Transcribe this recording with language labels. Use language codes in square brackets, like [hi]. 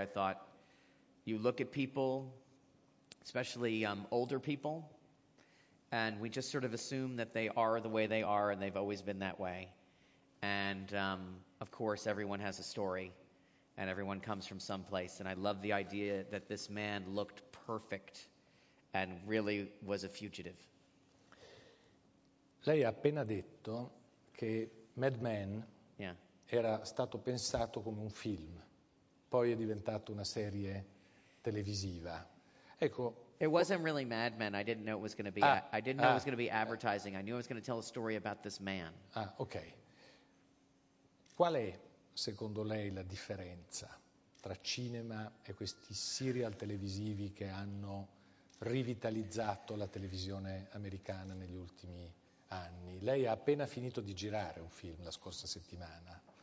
[en] I thought, you look at people, especially older people, and we just sort of assume that they are the way they are and they've always been that way. And of course, everyone has a story and everyone comes from someplace. And I love the idea that this man looked perfect and really was a fugitive. [it] Lei ha appena detto che Mad Men [en] yeah. [it] era stato pensato come un film, poi è diventato una serie televisiva. Ecco. [en] It wasn't really Mad Men. I didn't know it was going to be. I didn't know it was going to be advertising. I knew I was going to tell a story about this man. [it] Ah, ok. Qual è, secondo lei, la differenza tra cinema e questi serial televisivi che hanno rivitalizzato la televisione americana negli ultimi anni? Lei ha appena finito di girare un film la scorsa settimana.